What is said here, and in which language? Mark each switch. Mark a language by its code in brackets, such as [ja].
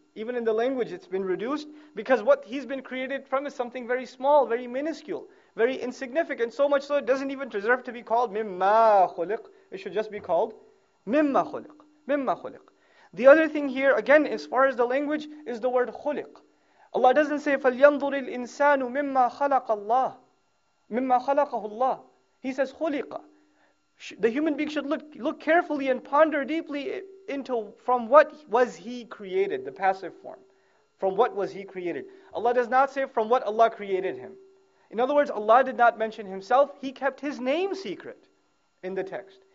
[en] Even in the language, it's been reduced, because what he's been created from is something very small, very minuscule, very insignificant, so much so it doesn't even deserve to be called mimma khuliq. It should just be called mimma khuliq. Mimma khuliq. The other thing here, again, as far as the language, is the word khuliq. Allah doesn't say, [ar] فَلْيَنْظُرِ الْإِنسَانُ مِمَّا خَلَقَ اللَّهِ مِمَّا خَلَقَهُ اللَّهِ. [en] He says, خُلِقَ. The human being should look carefully and ponder deeply into from what was he created, the passive form. From what was he created. Allah does not say from what Allah created him. In other words, Allah did not mention himself. He kept his name secret in the text.